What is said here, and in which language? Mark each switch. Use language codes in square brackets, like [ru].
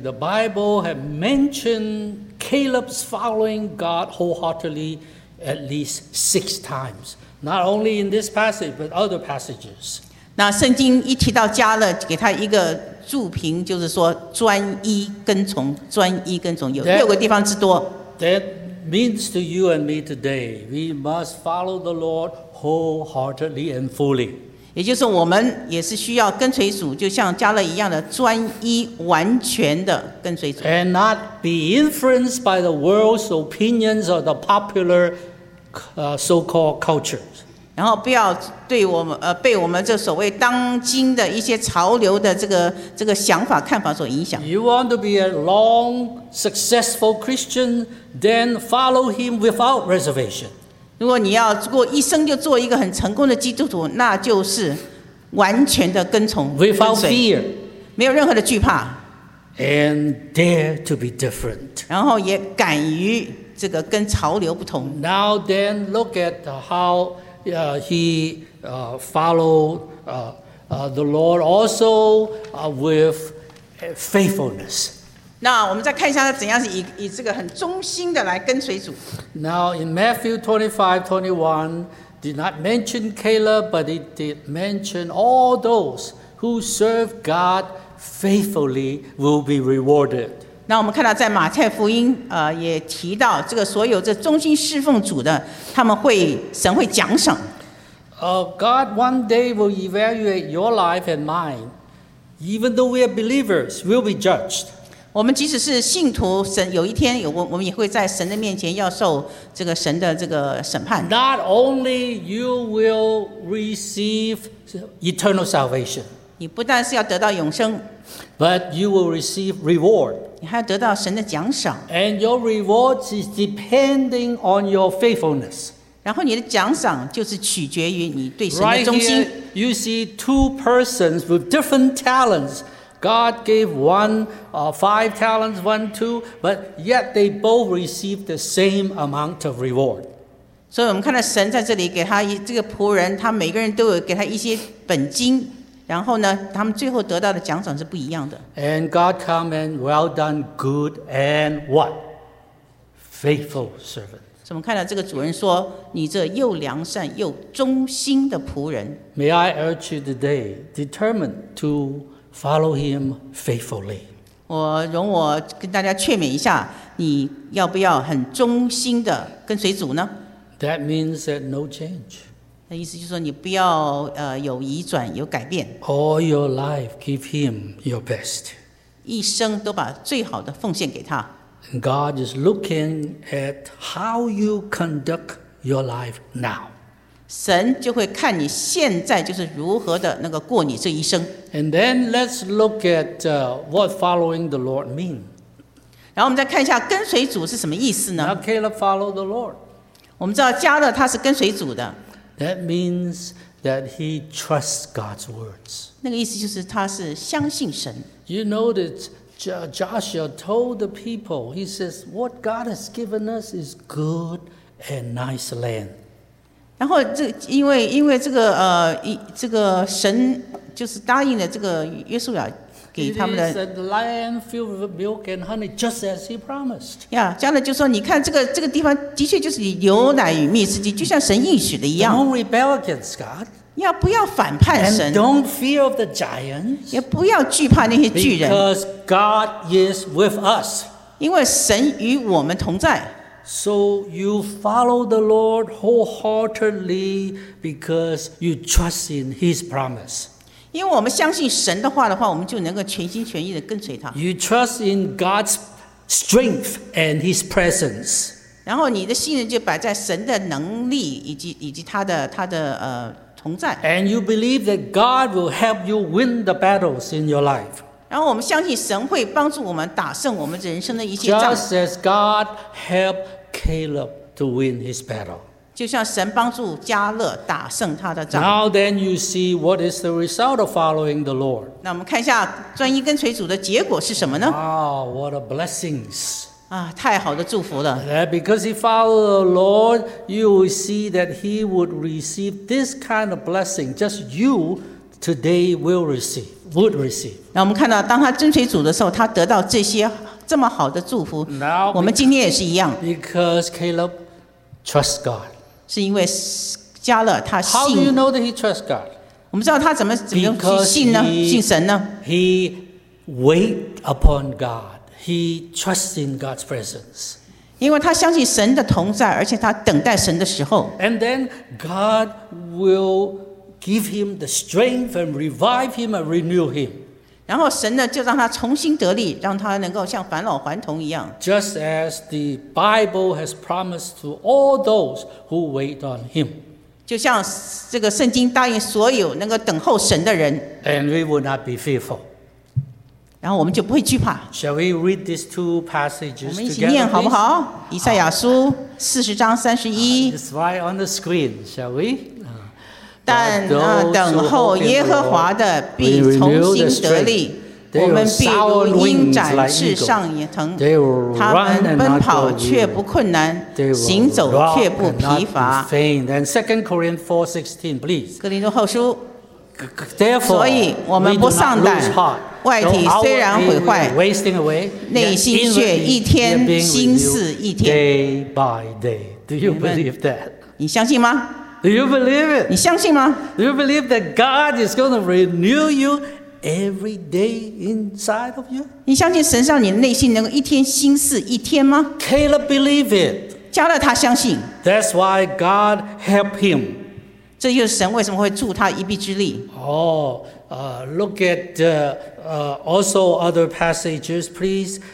[en] The Bible has mentioned Caleb's following God wholeheartedly at least 6 times. Not only in this passage, but other passages. [zh] 那圣经一提到加勒，给他一个注评，就是说专一跟从，专一跟从，有六个地方之多。 [en] That means to you and me today, we must follow the Lord wholeheartedly and fully. [zh] 也就是我们也是需要跟随主，就像加勒一样的专一，完全的跟随主。 [en] And not be influenced by the world's opinions or the popular. So-called cultures. [zh] 然后不要对我们被我们这所谓当今的一些潮流的这个想法看法所影响。 [en] You want to be a long, successful Christian, then follow him without reservation. [zh] 如果你要过一生就做一个很成功的基督徒，那就是完全的跟从。 [en] Without fear, [zh] 没有任何的惧怕。 [en] And dare to be different. [zh] 然后也敢于。这个跟潮流不同。 [en] Now then, look at how he followed the Lord also with faithfulness. [zh] 那我们再看一下他怎样是以这个很忠心的来跟随主。 [en] Now in Matthew 25:21, did not mention Caleb, but it did mention all those who serve God faithfully will be rewarded. [zh] 那我们看到在马太福音也提到这个所有这忠心侍奉主的他们会神会奖赏。 [en] God one day will evaluate your life and mine. Even though we are believers, we'll be judged. [zh] 我们即使是信徒神有一天我们也会在神的面前要受这个神的这个审判。 [en] Not only you will receive eternal salvation. [zh] 你不但是要得到永生 [en] but you will receive reward. [zh] 你还要得到神的奖赏 [en] and your rewards is depending on your faithfulness. [zh] 然后你的奖赏就是取决于你对神的忠心 [en] Right here, you see two persons with different talents. God gave one five talents, one two, but yet they both received the same amount of reward. [zh] 所以我们看到神在这里给他这个仆人，他每个人都有给他一些本金。然后呢，他们最后得到的奖赏是不一样的。 [en] And God come and well done, good and what? Faithful servant. [zh] 怎么看到这个主人说，你这又良善又忠心的仆人。 [en] May I urge you today, determined to follow him faithfully. [zh] 我容我跟大家劝勉一下，你要不要很忠心的跟随主呢？ [en] That means that no change. [zh] 那意思就是说，你不要有移转，有改变。 [en] All your life, give him your best. [zh] 一生都把最好的奉献给他。 [en] God is looking at how you conduct your life now. [zh] 神就会看你现在就是如何的那个过你这一生。 [en] And then let's look at what following the Lord means. [zh] 然后我们再看一下跟随主是什么意思呢 [en] ？Now Caleb followed the Lord. [zh] 我们知道加勒他是跟随主的。 [en] That means that he trusts God's words. [zh] 那个意思就是他是相信神。 [en] You know that Joshua told the people, he says, what God has given us is good and nice land. [zh] 然后因为这个神就是答应了这个约书亚给他们的。 [en] It is a land filled with milk and honey, just as he promised. [zh] Yeah, 加勒就说：“你看，这个地方的确就是牛奶与蜜之地，就像神应许的一样。 [en] Don't rebel against God. [zh] 要不要反叛神 [en] ？And don't fear of the giants. [zh] 也不要惧怕那些巨人。 [en] Because God is with us. [zh] 因为神与我们同在。 [en] So you follow the Lord wholeheartedly because you trust in His promise. [zh] 因为我们相信神的话的话，我们就能够全心全意的跟随他。 [en] You trust in God's strength and His presence. [zh] 然后你的信任就摆在神的能力以及他的同在。 [en] And you believe that God will help you win the battles in your life. [zh] 然后我们相信神会帮助我们打胜我们人生的一些仗。 [en] Just as God helped Caleb to win his battle. [zh] 就像神帮助加勒打胜他的仗。 [en] Now then you see what is the result of following the Lord. [zh] 那我们看一下专一跟随主的结果是什么呢？ [en] Wow, what a blessings. [zh] 啊，太好的祝福了。 [en] Yeah, because he followed the Lord, you will see that he would receive this kind of blessing. Just you today will receive, would receive. [zh] 那我们看到当他跟随主的时候，他得到这些这么好的祝福。 [en] Now, [zh] 我们今天也是一样。 [en] Because Caleb trusts God. [zh] 是因为加勒他信。 [en] How do you know that he trusts God? [zh] 我们知道他怎么去信呢？ [en] Because、 [zh] 信神呢 [en] ？He wait upon God. He trusts in God's presence. [zh] 因为他相信神的同在，而且他等待神的时候。 [en] And then God will give him the strength and revive him and renew him. [zh] 然后神呢就让他重新得力，让他能够像返老还童一样。 [en] Just as the Bible has promised to all those who wait on Him. [zh] 就像这个圣经答应所有能够等候神的人。 [en] And we will not be fearful. [zh] 然后我们就不会惧怕。 [en] Shall we read these two passages together? [zh] 我们一起念好不好？以赛亚书40:31。 [en] It's right on the screen, shall we? [zh] 但等候耶和华的必重新得力，我们必如鹰展翅上腾，他们奔跑却不困难，行走却不疲乏。 [en] Then 2 Corinthians 4:16, please. [zh] 哥林多后书。所以我们不丧胆，外体虽然毁坏，内心却一天心似一天。 [en] Day by day, do you believe that? [zh] 你相信吗？ [en] Do you believe it? [zh] 你相信吗？ [en] Do you believe that God is going to renew you every day inside of you? [zh] 你相信神让你内心能够一天心思一天吗？ [en] Caleb believe it. [zh] 加勒他相信。 [en] That's why God helped him. [zh] 这就是神为什么会助他一臂之力。 [en] Oh, look at also other passages, please.